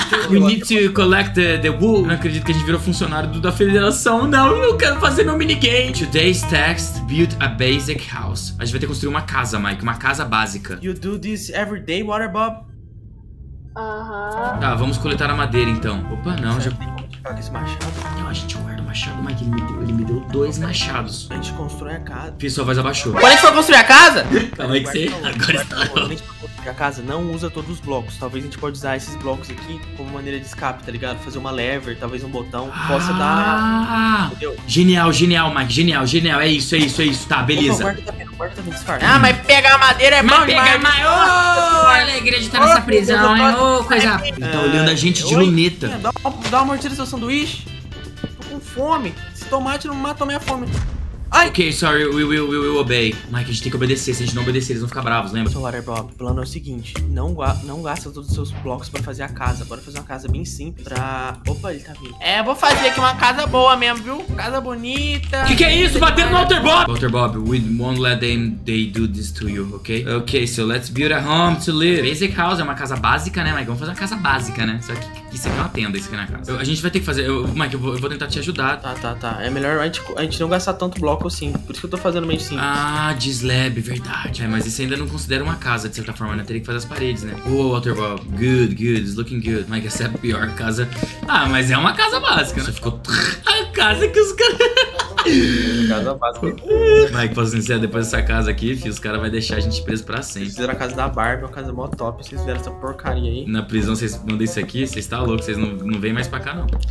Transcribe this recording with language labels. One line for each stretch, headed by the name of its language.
English: We need to collect the wool.
Portuguese: Não acredito que a gente virou funcionário da federação. Não, eu quero fazer meu minigame.
English: Today's text, build a basic house.
Portuguese: A gente vai ter que construir uma casa, Mike. Uma casa básica.
English: You do this every day, Water Bob? Aham.
Portuguese: Tá, vamos coletar a madeira, então. Opa, não, já... Esse machado. Não, a gente guarda o machado, mas ele me deu dois machados. A gente constrói a casa. Fih, sua voz abaixou. Quando a gente for construir a casa? Calma aí que você... Agora está. Quando a gente for construir a casa, não usa todos os blocos. Talvez a gente pode usar esses blocos aqui como maneira de escape, tá ligado? Fazer uma lever, talvez um botão. Possa dar... Entendeu? Genial, Mike. Genial. É isso. Tá, beleza. Porta Mas pegar a madeira é bom demais. Pegar demais. Oh, alegria de estar nessa prisão, hein? Ô, coisa... Ele tá olhando a gente de luneta. Dá uma mordida no seu sanduíche. Tô com fome. Esse tomate não mata a minha fome. Ai.
English: Ok, sorry, we will obey.
Portuguese: Mike, a gente tem que obedecer. Se a gente não obedecer, eles vão ficar bravos, lembra? Seu Water Bob, o plano é o seguinte: não gasta todos os seus blocos pra fazer a casa. Bora fazer uma casa bem simples pra... Opa, ele tá vindo. É, eu vou fazer aqui uma casa boa mesmo, viu? Casa bonita. Que é isso? Batendo no Water Bob!
English: Water Bob, we won't let them they do this to you, ok? Ok, so let's build a home to live.
Portuguese: Basic house é uma casa básica, né, Mike? Vamos fazer uma casa básica, né? Só que isso aqui é uma tenda, isso aqui na casa. A gente vai ter que fazer... Mike, eu vou tentar te ajudar. Tá. É melhor a gente não gastar tanto bloco. Sim, por isso que eu tô fazendo meio simples. Ah, de slab, verdade. É, mas isso ainda não considera uma casa, de certa forma, né? Teria que fazer as paredes, né?
English: Oh, Walter Bob, good, it's looking good.
Portuguese: Mike, essa é a pior casa. Ah, mas é uma casa básica, né? Você ficou... A casa que os caras... Casa básica. Mike, posso iniciar depois dessa casa aqui, filho? Os caras vão deixar a gente preso pra sempre. Vocês fizeram a casa da Barbie, uma casa mó top. Vocês fizeram essa porcaria aí. Na prisão, vocês mandam isso aqui? Vocês tá louco, vocês não vêm mais pra cá, não.